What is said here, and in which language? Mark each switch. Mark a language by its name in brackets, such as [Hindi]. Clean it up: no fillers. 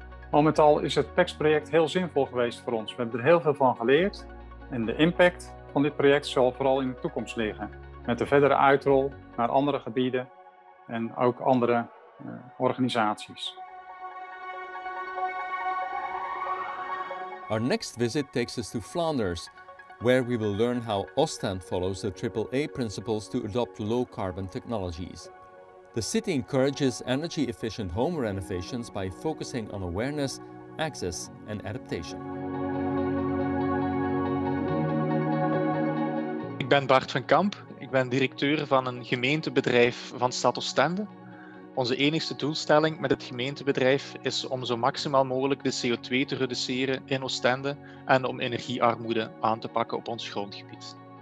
[Dutch] Al met al is het PEX-project heel zinvol geweest voor ons. We hebben er heel veel van geleerd en de impact van dit project zal vooral in de toekomst liggen. Met de verdere uitrol naar andere gebieden en ook andere organisaties. [English] Our next visit takes us to Flanders, where we will learn how Ostend follows the AAA principles to adopt low-carbon technologies. The city encourages energy-efficient home renovations by focusing on awareness, access, and adaptation. [Dutch] Ik ben Bart van Kamp. Ik ben directeur van een gemeentebedrijf van stad Ostende. Onze enigste doelstelling met het gemeentebedrijf is om zo maximaal mogelijk de CO2 te reduceren in Oostende en om energiearmoede aan te pakken op ons grondgebied.